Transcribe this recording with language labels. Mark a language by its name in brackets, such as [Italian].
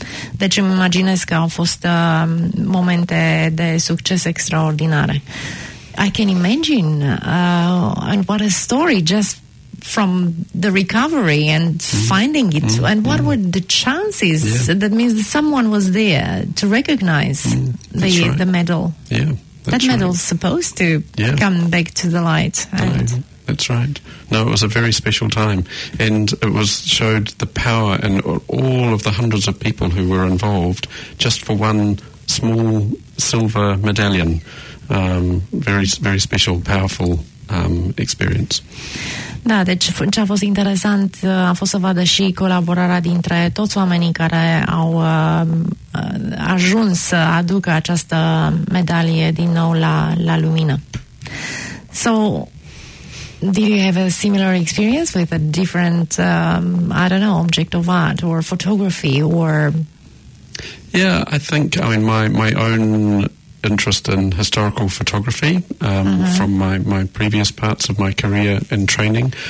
[Romanian] Deci îmi imaginez că au fost momente de succes extraordinare. [English] I can imagine and what a story just from the recovery and finding it and what were the chances that means that someone was there to recognize the medal. Yeah, that medal's supposed to come back to the light. That's right. No, it was a very special time, and it was showed the power in all of the hundreds of people who were involved just for one small silver medallion. Very, very special, powerful experience. [Romanian] Da, deci ce a fost interesant a fost să vadă și colaborarea dintre toți oamenii care au ajuns să aducă această medalie din nou la lumină. [English] So, did you have a similar experience with a different, I don't know, object of art or photography or... Yeah, I think, I mean, my own interest in historical photography from my previous parts of my career and training.